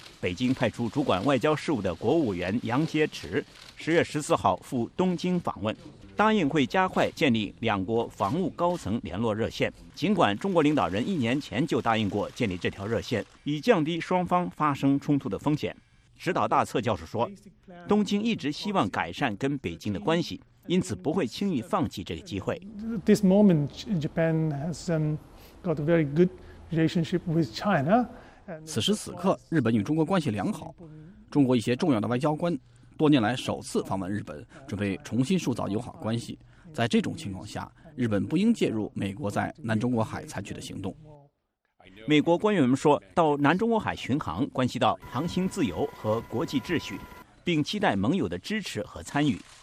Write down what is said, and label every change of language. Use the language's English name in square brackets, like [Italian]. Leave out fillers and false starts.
[Chinese] 北京派出主管外交事务的国务委员杨洁篪10月14日赴东京访问，答应会加快建立两国防务高层联络热线。尽管中国领导人一年前就答应过建立这条热线，以降低双方发生冲突的风险。指导大策教授说，东京一直希望改善跟北京的关系，因此不会轻易放弃这个机会。 [English] This moment, Japan has got a very good relationship with China. [Chinese] 此时此刻，日本与中国关系良好。中国一些重要的外交官多年来首次访问日本，准备重新塑造友好关系。在这种情况下，日本不应介入美国在南中国海采取的行动。美国官员们说，到南中国海巡航关系到航行自由和国际秩序，并期待盟友的支持和参与。